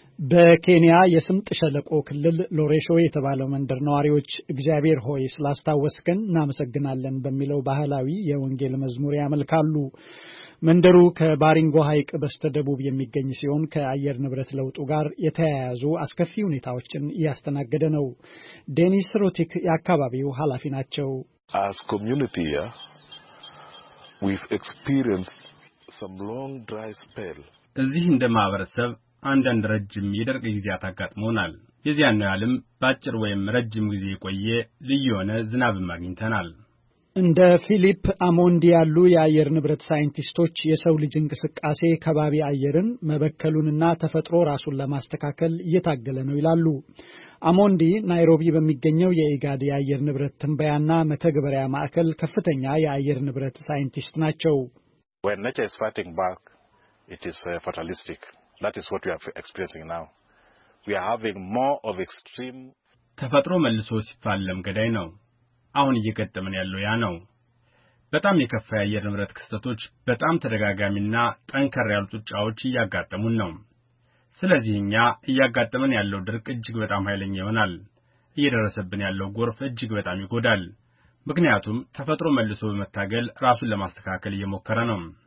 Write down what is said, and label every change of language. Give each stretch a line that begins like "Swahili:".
Amharic: በኬንያ የስምጥ ሸለቆ ክልል ሎሬሾ የተባለው መንደር ነዋሪዎች እግዚአብሔር ሆይ ስላስታወስከን እናመሰግናለን በሚለው ባህላዊ የወንጌል መዝሙር ያመልካሉ። መንደሩ ከባሪንጎ ሐይቅ በስተደቡብ የሚገኝ ሲሆን ከአየር ንብረት ለውጡ ጋር የተያያዙ አስከፊ ሁኔታዎችን እያስተናገደ ነው። ዴኒስ ሮቲክ የአካባቢው ኃላፊ ናቸው።
English: As community here we've experienced some long dry spell.
Amharic: እዚህ እንደ ማህበረሰብ አንዳንድ ረጅም የደረቀ ጊዜያት አጋጥመናል። የዚያን ያለም ባጭር ወይም ረጅም ጊዜ የቆየ ልዩ የሆነ ዝናብ ማግኝተናል። እንደ ፊሊፕ አሞንዲ ያሉ የአየር ንብረት ሳይንቲስቶች የሰው ልጅ እንቅስቃሴ ከባቢ አየርን መበከሉንና ተፈጥሮ ራሱን ለማስተካከል እየታገለ ነው ይላሉ። አሞንዲ ናይሮቢ በሚገኘው የኢጋድ የአየር ንብረት ትንበያና መተግበሪያ ማዕከል ከፍተኛ የአየር ንብረት ሳይንቲስት ናቸው።
English: When nature is fighting back, it is fatalistic. That is what we are experiencing now. We are having more of extreme
Amharic: ተፈጥሮ መልሶ ሲፋለም ገዳይ ነው። አሁን እየከተመን ያለው ያ ነው። በጣም የከፋ የአየር ንብረት ክስተቶች በጣም ተደጋጋሚና ጠንከር ያሉ ጥጫዎች ያጋጠሙን ነው። ስለዚህኛ ያጋጠመን ያለው ድርቅ እጅግ በጣም ኃይለኛ ይሆናል። እየደረሰብን ያለው ጎርፍ እጅግ በጣም ይጎዳል። ምክንያቱም ተፈጥሮ መልሶ በመታገል ራሱን ለማስተካከል እየሞከረ ነው።